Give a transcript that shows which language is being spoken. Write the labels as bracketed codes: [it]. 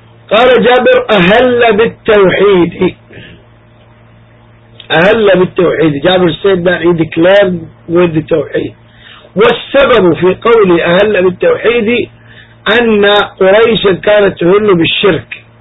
[ar] قال جابر أهل بالتوحيد, أهل بالتوحيد. [en] جابر said that he declared with the توحيد. [ar] والسبب في قولي أهل بالتوحيد أن قريش كانت تهل بالشرك.